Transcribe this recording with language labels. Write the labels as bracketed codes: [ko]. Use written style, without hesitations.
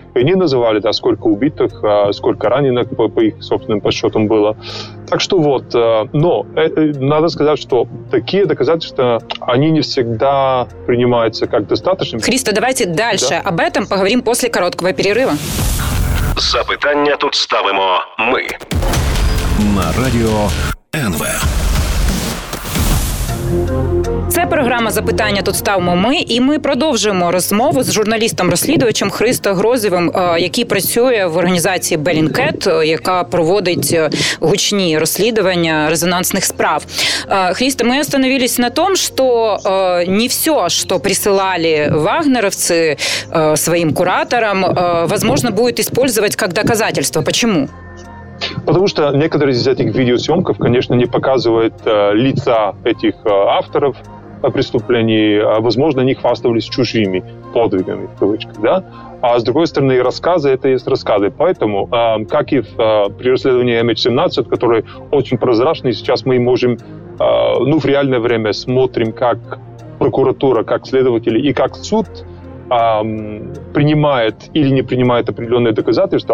[ru] И они называли, сколько убитых, сколько раненых по их собственным подсчетам было. Так что надо сказать, что такие доказательства, они не всегда принимаются как достаточными. Христо, давайте дальше. Да? Об этом поговорим после короткого перерыва. [uk] Запитання тут ставимо ми. На радіо НВ. Це програма «Запитання тут ставимо ми», і ми продовжуємо розмову з журналістом-розслідувачем Христо Грозєвим, який працює в організації «Bellingcat», яка проводить гучні розслідування резонансних справ. Христо, ми остановились на тому, що не все, що присилали вагнеровці своїм кураторам, можливо, буде використовувати як доказательство. Чому? [ru] Потому что некоторые из этих видеосъемков, конечно, не показывают лица этих авторов преступлений. Возможно, они хвастались чужими подвигами, в кавычках. Да? А с другой стороны, рассказы — это есть рассказы. Поэтому, как и при расследовании MH17, который очень прозрачный, сейчас мы можем в реальное время смотрим, как прокуратура, как следователи и как суд принимает или не принимает определенные доказательства.